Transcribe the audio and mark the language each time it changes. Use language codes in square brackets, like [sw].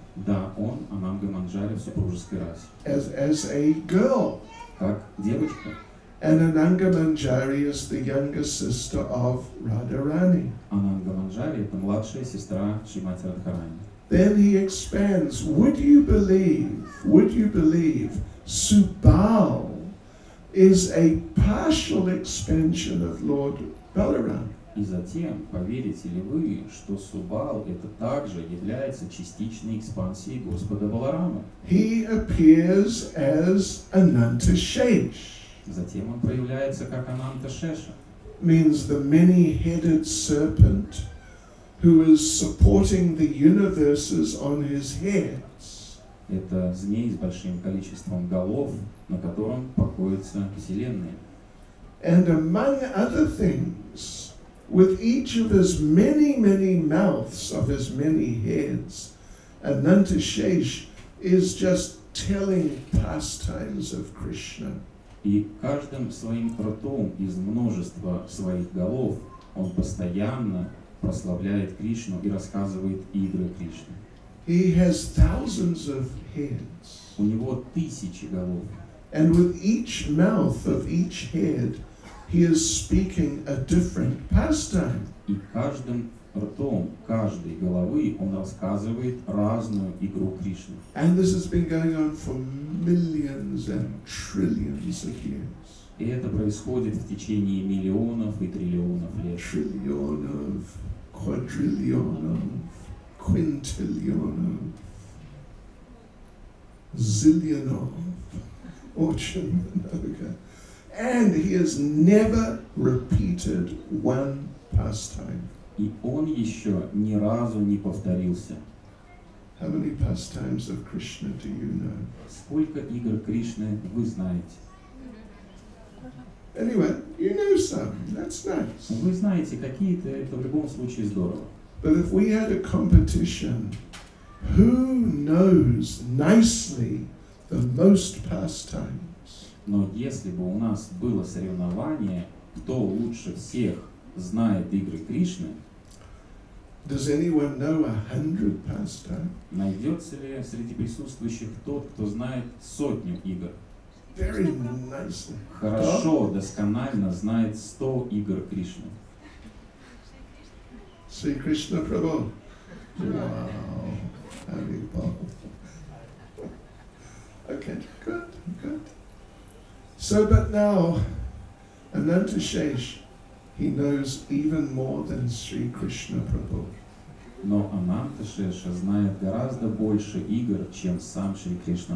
[ru] Да, он Ананга Манджари в супружеской расе. [en] As a girl. [ru] Как девочка. [en] And Ananga Manjari is the younger sister of Radharani. [ru] Ананга Манджари это младшая сестра Шримати Радхарани. [en] Then he expands. Would you believe Subal is a partial expansion of Lord Balarama. [ru] И затем, поверите ли вы, что Субал это также является частичной экспансией Господа Баларама? [en] He appears as Anantashesh. [ru] Затем он проявляется как Ананташеша. [en] Means the many-headed serpent who is supporting the universes on his heads. [ru] Это змей с большим количеством голов, на котором покоятся вселенные. [en] And among other things, with each of his many, many mouths, of his many heads, Anantashesh is just telling pastimes of Krishna. [ru] И каждым своим ртом из множества своих голов он постоянно прославляет Кришну и рассказывает игры Кришны. [en] He has thousands of heads. [ru] У него тысячи голов. [en] And with each mouth of each head, he is speaking a different pastime. [ru] И каждым ртом каждой головы он рассказывает разную игру Кришны. [en] And this has been going on for millions and trillions of years. [ru] И это происходит в течение миллионов и триллионов лет. Триллионов, квадриллионов, квинтиллионов, зиллионов, очиллионов. [en] And he has never repeated one pastime. [ru] И он еще ни разу не повторился. [en] How many pastimes of Krishna do you know? [ru] Сколько игр Кришны вы знаете? [en] Anyway, you know some. That's nice. [ru] Вы знаете какие-то, это в любом случае здорово. [en] But if we had a competition, who knows nicely the most pastimes? [ru] Но если бы у нас было соревнование, кто лучше всех знает игры Кришны, [en] does anyone know 100 pastimes? [ru] Найдется ли среди присутствующих тот, кто знает сотню игр? [en] Very nice. [ru] Хорошо, досконально знает 100 игр Кришны. [en] Sri Krishna Prabhu. Wow. Happy Bob. Okay, good, good. So, but now, Ananta Shesh, he knows even more than Sri Krishna Prabhu. [ru] Но Ананта Шеша знает гораздо больше игр, чем сам Шри Кришна